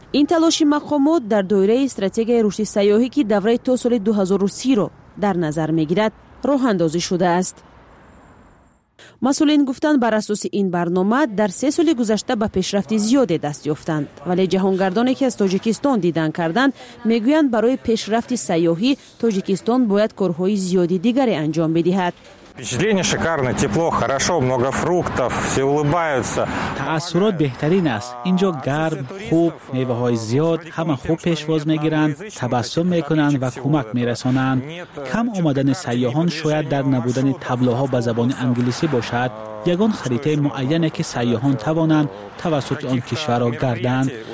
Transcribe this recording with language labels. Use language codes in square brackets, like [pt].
[fa] این تلاش مقامات در دایره استراتژی رشد سیاحی که دوره تا سال 2030 را در نظر میگیرد راه اندازی شده است. مسئولین گفتند بر اساس این برنامه در 3 سال گذشته به پیشرفت زیادی دست یافتند، ولی جهانگردانی که از تاجیکستان دیدن کردند میگویند برای پیشرفت سیاحی تاجیکستان باید کارهای زیادی دیگری انجام بدهد. [ru] впечатление шикарно, тепло, хорошо, много фруктов, все улыбаются. [fa] تأثیرات بهترین است. اینجا گرم، خوب، میوه‌های زیاد، همه خوب پیشواز می‌گیرند، تبسم می‌کنند و کمک می‌رسانند. کم آمدن سیاحان شاید در نبودن تبلوها به زبان انگلیسی باشد. یگان خریطه معینه که سیاحان توانند توسط آن کشور را گردند.